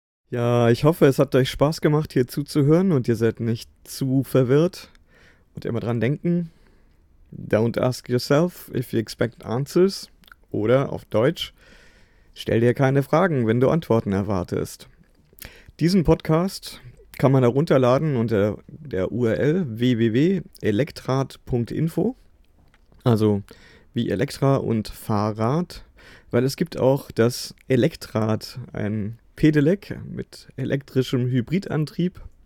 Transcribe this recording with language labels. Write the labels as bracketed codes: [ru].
[de] Ja, ich hoffe, es hat euch Spaß gemacht, hier zuzuhören und ihr seid nicht zu verwirrt und immer dran denken. [en] Don't ask yourself if you expect answers. [de] Oder auf Deutsch, stell dir keine Fragen, wenn du Antworten erwartest. Diesen Podcast kann man herunterladen unter der URL www.elektrat.info. Also wie Elektra und Fahrrad, weil es gibt auch das Elektrad, ein Pedelec mit elektrischem Hybridantrieb.